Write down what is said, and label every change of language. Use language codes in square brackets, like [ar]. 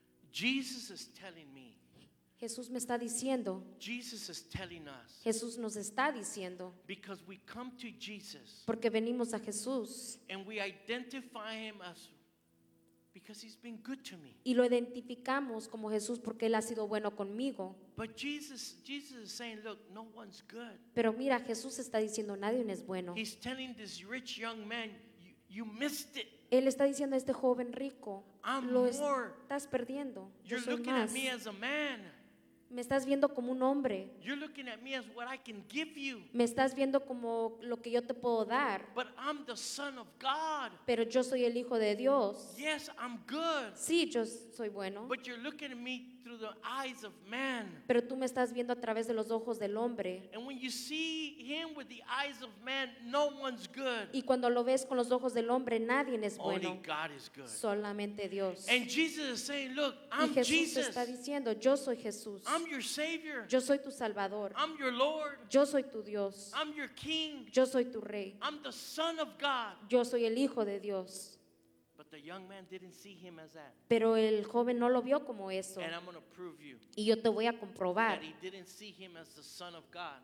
[en] Jesus is telling me. [es] Jesús me está diciendo. [en] Jesus is telling us. [es] Jesús nos está diciendo. [en] Because we come to Jesus. [es] Porque venimos a Jesús. [en] And we identify him as because he's been good to me. [es] Y lo identificamos como Jesús porque él ha sido bueno conmigo. [en] But Jesus is saying, look, no one's good. [es] Pero mira, Jesús está diciendo, nadie es bueno. [en] He's telling this rich young man, you missed it. [es] Él está diciendo a este joven rico, lo estás perdiendo. [en] You're looking at me as a man. [es] Me estás viendo como un hombre. [en] You're looking at me as what I can give you. [es] Me estás viendo como lo que yo te puedo dar. [en] But I'm the son of God. [es] Pero yo soy el hijo de Dios. [en] Yes, I'm good. [es] Sí, yo soy bueno. [en] But you're looking at me through the eyes of man. [es] Pero tú me estás viendo a través de los ojos del hombre. [en] And when you see him with the eyes of man, no one's good. [es] Y cuando lo ves con los ojos del hombre, nadie es bueno. [en] Only God is good. [es] Solamente Dios. [en] And Jesus is saying, look, I'm [es] Jesús [en] Jesus. [es] Jesús está diciendo, yo soy Jesús. [en] I'm your savior. [es] Yo soy tu salvador. [en] I'm your Lord. [es] Yo soy tu Dios. [en] I'm your king. [es] Yo soy tu rey. [en] I'm the son of God. [es] Yo soy el hijo de Dios. [en] But the young man didn't see him as that. [es] Pero el joven no lo vio como eso. [en] And I'm going to prove you. [es] Y yo te voy a comprobar. [en] That he didn't see him as the son of God.